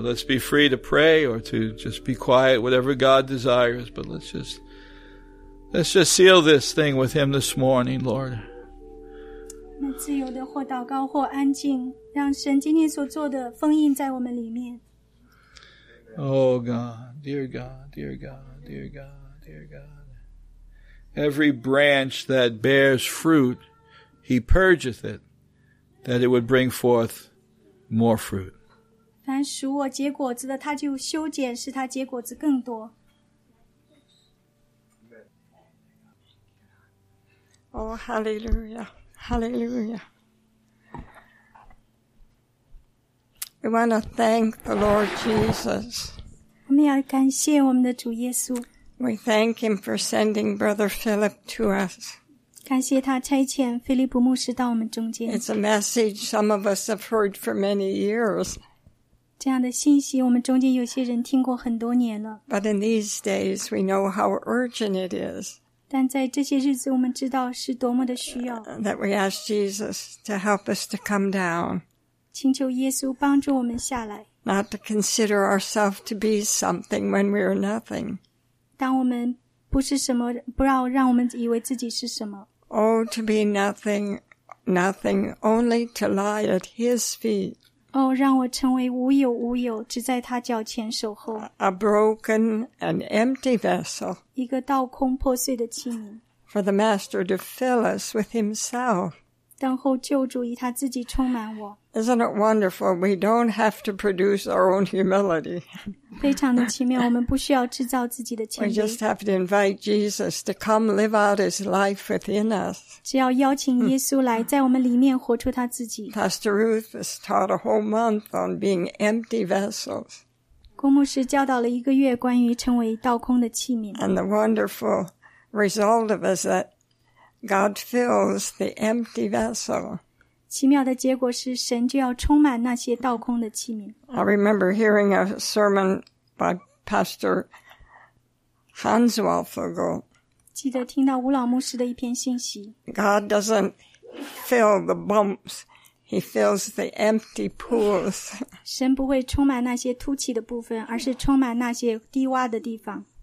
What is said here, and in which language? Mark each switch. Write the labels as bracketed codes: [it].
[en] Let's be free to pray or to just be quiet, whatever God desires, but let's just seal this thing with him this morning, Lord. [zh] 那自由的或祷告或安静，让神今天所做的封印在我们里面。 [en] Oh God, dear God, dear God, dear God, dear God. Every branch that bears fruit, he purgeth it, that it would bring forth more fruit. [zh] 凡属我结果子的，他就修剪，使他结果子更多。 [en] Oh, hallelujah, hallelujah. We want to thank the Lord Jesus. [zh] 我们要感谢我们的主耶稣。 [en] We thank him for sending Brother Philip to us. [zh] 感谢他差遣菲利普牧师到我们中间。 [en] It's a message some of us have heard for many years. [zh] 这样的信息我们中间有些人听过很多年了。 [en] But in these days, we know how urgent it is. [zh] 但在这些日子我们知道是多么的需要。 [en] That we ask Jesus to help us to come down. [zh] 请求耶稣帮助我们下来。 [en] Not to consider ourselves to be something when we are nothing. [zh] 当我们不是什么，不要让我们以为自己是什么。 [en] Oh, to be nothing, nothing, only to lie at his feet. [zh] Oh, 让我成为无有无有，只在他脚前守候。 [en] A broken and empty vessel. [zh] 一个倒空破碎的器皿。 [en] For the Master to fill us with himself. [zh] 等候救主以他自己充满我。 [en] Isn't it wonderful? We don't have to produce our own humility. [zh] 非常的奇妙，我们不需要制造自己的谦卑。 [en] We just have to invite Jesus to come live out his life within us. [zh] 只要邀请耶稣来在我们里面活出他自己。 [en] Pastor Ruth has taught a whole month on being empty vessels. [zh] 郭牧师教导了一个月关于成为倒空的器皿。 [en] And the wonderful result of us that God fills the empty vessel. [zh] 奇妙的结果是神就要充满那些倒空的器皿。 [en] I remember hearing a sermon by Pastor Hans Waldfogel. [zh] 记得听到吴老牧师的一篇信息。 [en] God doesn't fill the bumps. He He fills the empty pools. [zh] 神不会充满那些凸起的部分，而是充满那些低洼的地方。